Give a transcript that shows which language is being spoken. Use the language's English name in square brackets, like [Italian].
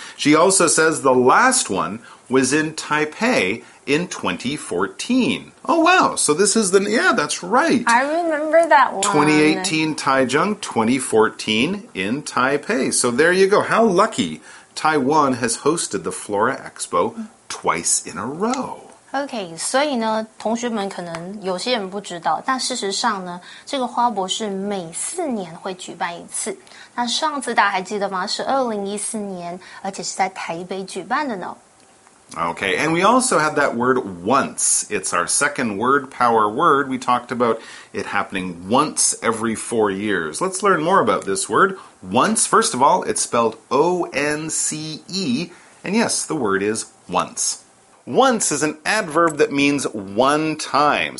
[English] She also says the last one was in Taipei in 2014. Oh, wow. So this is the, yeah, that's right. I remember that one. 2018 Taichung, 2014 in Taipei. So there you go. How lucky Taiwan has hosted the Flora Expo twice in a row. [Chinese] OK, 所以呢同学们可能有些人不知道但事实上呢这个花博是每四年会举办一次。那上次大家还记得吗是2014年而且是在台北举办的呢。 [English] OK, and we also have that word once. It's our second word power word. We talked about it happening once every 4 years. Let's learn more about this word. Once, first of all, it's spelled O-N-C-E. And yes, the word is once. Once is an adverb that means one time.